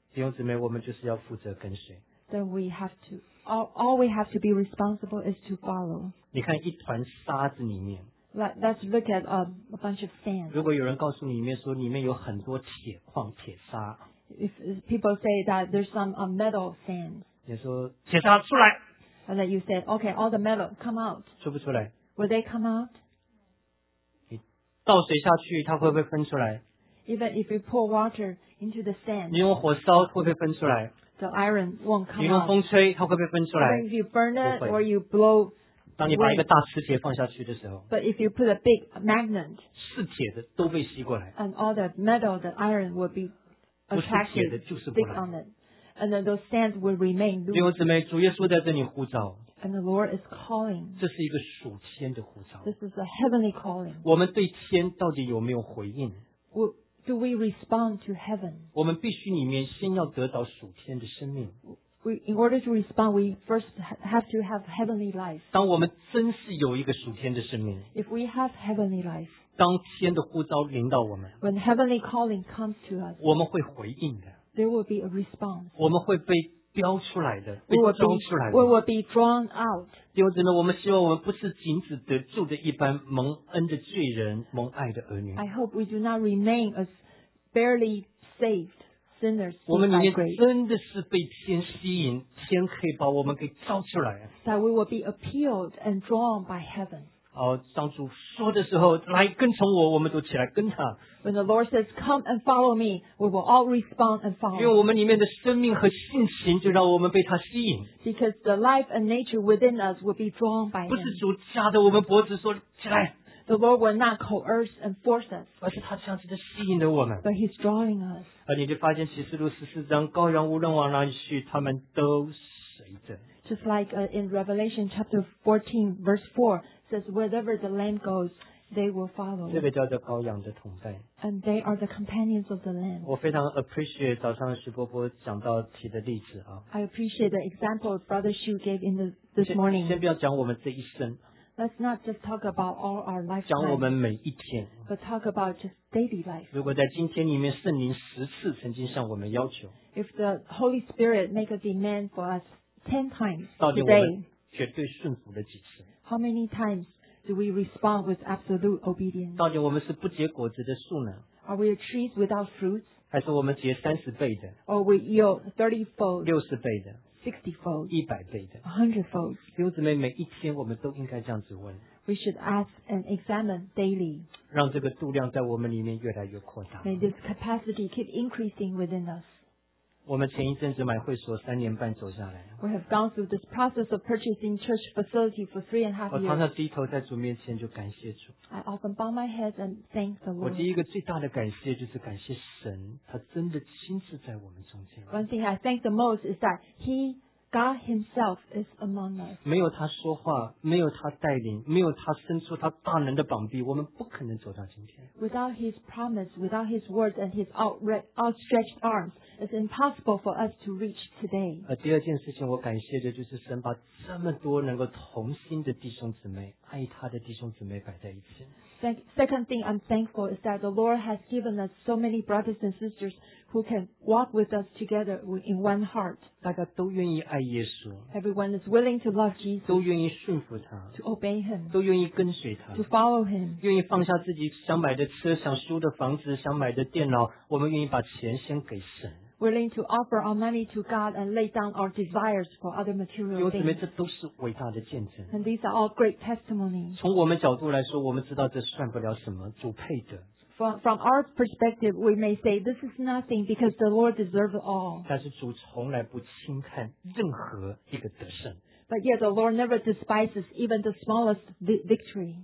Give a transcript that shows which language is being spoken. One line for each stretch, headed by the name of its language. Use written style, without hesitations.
Chinese: 弟兄姊妹，我们就是要负责跟随。
English: Then we have to. All we have to be responsible is to follow.
Chinese: 你看一团沙子里面。
English: Let's look at a bunch of sand.
Chinese: 如果有人告诉你里面说里面有很多铁矿铁沙。
English: If people say that there's some metal sand.
Chinese: 你说铁沙出来。
English: And then you say, okay, all the metal come out.
Chinese: 出不出来。
English: Will they come out?
Chinese: 你倒水下去它会不会分出来。
English: Even if you pour water into the sand.
Chinese: 你用火烧会不会分出来。
English: The iron won't come out.
Chinese: 你用风吹它会不会分出来。
English: Or if you burn it or you blow
Chinese: 当你把一个大磁铁放下去的时候
English: But if you put a big magnet
Chinese: 是铁的都被吸过来
English: And all the metal, the iron will be attracted
Chinese: 不是铁的就是不来
English: And then those sands will remain
Chinese: 弟兄姊妹主耶稣在这里呼召
English: And the Lord is calling
Chinese: 这是一个属天的呼召
English: This is a heavenly calling
Chinese: 我们对天到底有没有回应
English: Do we respond to heaven
Chinese: 我们必须里面先要得到属天的生命
English: In order to respond, we first have to have heavenly life.
Chinese: 当我们真是有一个属天的生命
English: If we have heavenly life,
Chinese: 当天的呼召临到我们
English: When heavenly calling comes to us,
Chinese: 我们会回应的
English: There will be a response.
Chinese: 我们会被标出来的被招出来的
English: We will be drawn out.
Chinese: 弟兄姊妹我们希望我们不是仅只得救的一般蒙恩的罪人蒙爱的儿女
English: I hope we do not remain as barely saved.
Chinese: 我们里面真的是被天吸引天可以把我们给召出来
English: That we will be appealed and drawn by heaven
Chinese: 好当主说的时候来跟从我我们都起来跟他
English: When the Lord says come and follow me We will all respond and follow
Chinese: 因为我们里面的生命和性情就让我们被他吸引
English: Because the life and nature within us will be drawn by him
Chinese: 不是主掐着我们脖子说起来
English: The Lord will not coerce and force us
Chinese: 而是他这样子的吸引着我们
English: But he's drawing us
Chinese: 而你就发现启示录十四章羔羊无论往哪里去他们都随着
English: Just like in Revelation chapter 14 verse 4 says wherever the lamb goes they will follow
Chinese: 这个叫做羔羊的同伴
English: And they are the companions of the lamb
Chinese: 我非常 appreciate 早上徐伯伯讲到提的例子
English: I appreciate the example Brother Xu gave in this morning
Chinese: 先不要讲我们这一生
English: Let's not just talk about all our lifetime
Chinese: 讲我们每一天
English: But talk about justDaily life.
Chinese: 如果在今天里面圣灵十次曾经向我们要求
English: If the Holy Spirit make a demand for us 10 times today
Chinese: 到底我们绝对顺服了几次
English: How many times do we respond with absolute obedience
Chinese: 到底我们是不结果子的树呢
English: Are we a tree without fruits
Chinese: 还是我们结三十倍的
English: Or we yield 30 fold
Chinese: 六十倍的
English: 60 fold
Chinese: 一百倍的
English: 100 fold
Chinese: 弟兄姊妹每一天我们都应该这样子问
English: We should ask and examine daily
Chinese: 让这个度量在我们里面越来越扩大。
English: May this capacity keep increasing within us.
Chinese: 我们前一阵子买会所三年半走下来。
English: We have gone through this process of purchasing church facility for 3.5 years.
Chinese: 我常常低头在主面前就感谢主。
English: I often bow my head and thank the Lord.
Chinese: 我第一个最大的感谢就是感谢神，他真的亲自在我们中间。
English: One thing I thank the most is that He, God Himself, is among us.
Chinese: 没有他说话，没有他带领，没有他伸出他大能的膀臂，我们不可能走到今天。
English: Without His promise, without His words and His outstretched arms, it's impossible for us to reach today.
Chinese: 第二件事情我感谢的就是神把这么多能够同心的弟兄姊妹，爱他的弟兄姊妹摆在一起。
English: Second thing I'm thankful is that the Lord has given us so many brothers and sisters who can walk with us together in one heart.
Chinese: 大家都愿意爱耶稣。
English: Everyone is willing to love Jesus.
Chinese: 都愿意顺服他。
English: To obey him.
Chinese: 都愿意跟随他。
English: To follow him.
Chinese: 愿意放下自己想买的车、想租的房子、想买的电脑，我们愿意把钱先给神。
English: willing to offer our money to God and lay down our desires for other material things.
Chinese: 因为这都是伟大的见证。
English: And these are all great testimonies.
Chinese: 从我们角度来说，我们知道这算不了什么，主配得。
English: From our perspective, we may say this is nothing because the Lord deserves all.
Chinese: 但是主从来不轻看任何一个得胜。
English: But yet the Lord never despises even the smallest victory.